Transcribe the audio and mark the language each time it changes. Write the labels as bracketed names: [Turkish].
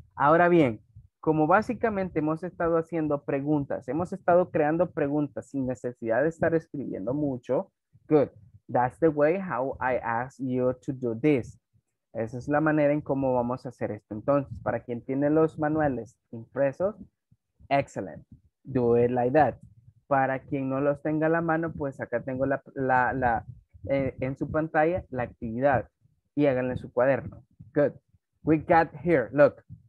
[Spanish] Ahora bien, como básicamente hemos estado haciendo preguntas, hemos estado creando preguntas sin necesidad de estar escribiendo mucho. [English] Good. That's the way how I ask you to do this. [Spanish] Esa es la manera en cómo vamos a hacer esto. Entonces, para quien tiene los manuales impresos, excellent. [English] Do it like that. [Spanish] Para quien no los tenga a la mano, pues acá tengo en su pantalla la actividad. Y háganla en su cuaderno. [English] Good. We got here. Look.